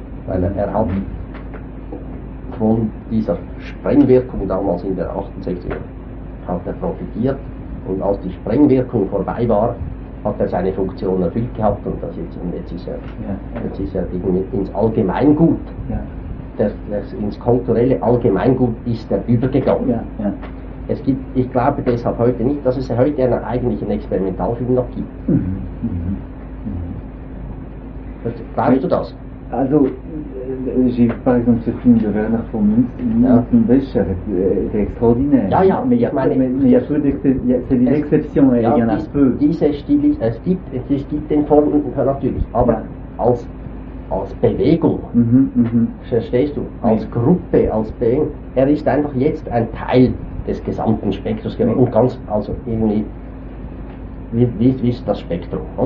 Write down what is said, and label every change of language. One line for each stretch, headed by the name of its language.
German: Weil er hat von dieser Sprengwirkung damals in der 68er hat er profitiert, und als die Sprengwirkung vorbei war, hat er seine Funktion erfüllt gehabt, und jetzt ist er ins Allgemeingut. Ja. Das ins kulturelle Allgemeingut ist er übergegangen. Ja, ja. Es gibt, ich glaube deshalb heute nicht, dass es heute einen eigentlichen Experimentalfilm noch gibt. Mhm. Mhm. Glaubst du das?
French: Also, j'ai vu par exemple ce film de Werner von Münzen, ja, Becher, c'est extraordinaire.
German: Ja, ja,
French: mais il y a peu d'exceptions, c'est une exception, il y en a peu.
German: Diese Stil, es gibt den Form natürlich, aber als Bewegung, verstehst du, als Gruppe, als Bewegung, er ist einfach jetzt ein Teil des gesamten Spektrums geworden, und ganz, also irgendwie, wie ist das Spektrum?